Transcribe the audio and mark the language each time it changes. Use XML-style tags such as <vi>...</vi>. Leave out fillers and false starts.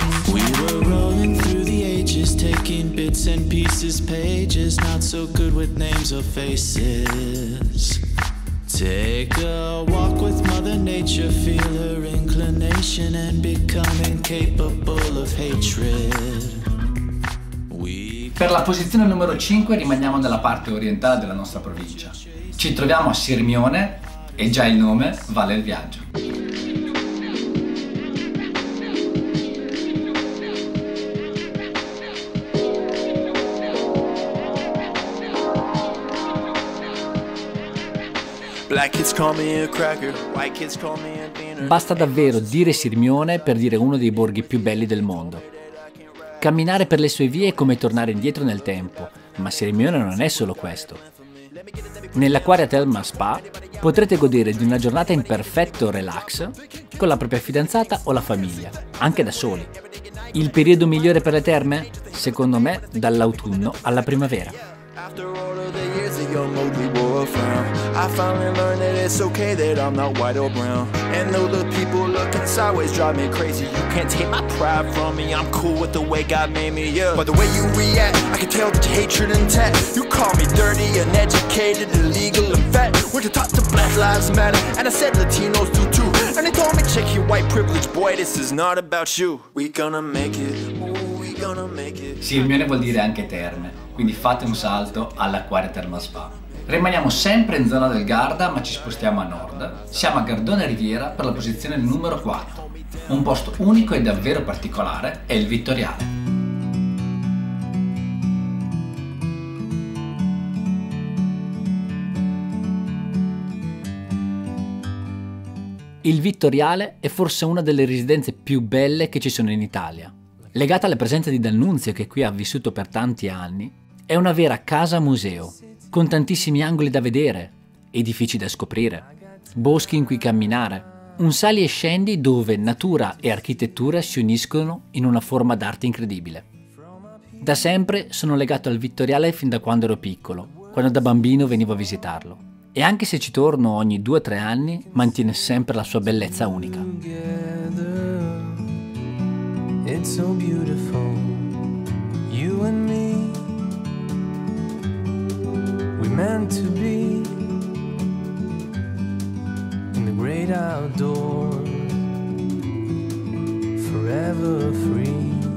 <en>We were rolling through the ages, taking bits and pieces, pages not so good with names or faces. Take a walk with Mother Nature, feel her inclination and become incapable of hatred.</en> <it>Per la posizione numero 5 rimaniamo nella parte orientale della nostra provincia. Ci troviamo a Sirmione e già il nome vale il viaggio. Basta davvero dire Sirmione per dire uno dei borghi più belli del mondo. Camminare per le sue vie è come tornare indietro nel tempo, ma Sirmione non è solo questo. Nell'Aquaria Thelma Spa potrete godere di una giornata in perfetto relax con la propria fidanzata o la famiglia, anche da soli. Il periodo migliore per le terme? Secondo me, dall'autunno alla primavera.</it> <en>After all of the years of your moody wore a frown, I finally learned that it's okay that I'm not white or brown. And though the people looking sideways drive me crazy, you can't take my pride from me. I'm cool with the way God made me, yeah. But the way you react, I can tell that your hatred intact. You call me dirty, uneducated, illegal, and fat. Went to talk to Black Lives Matter, and I said Latinos do too. And they told me, check your white privilege, boy, this is not about you. We gonna make it, ooh, we gonna make it.</en> <it>Sirmione vuol dire anche terme. Quindi fate un salto all'Aquaria Thelma Spa. Rimaniamo sempre in zona del Garda, ma ci spostiamo a nord. Siamo a Gardone Riviera per la posizione numero 4. Un posto unico e davvero particolare è il Vittoriale. Il Vittoriale è forse una delle residenze più belle che ci sono in Italia. Legata alla presenza di D'Annunzio, che qui ha vissuto per tanti anni, è una vera casa museo, con tantissimi angoli da vedere, edifici da scoprire, boschi in cui camminare, un sali e scendi dove natura e architettura si uniscono in una forma d'arte incredibile. Da sempre sono legato al Vittoriale fin da quando ero piccolo, quando da bambino venivo a visitarlo. E anche se ci torno ogni 2-3 anni, mantiene sempre la sua bellezza unica.</it> <en>It's so beautiful, you and me. Meant to be in the great outdoors, forever free.</en>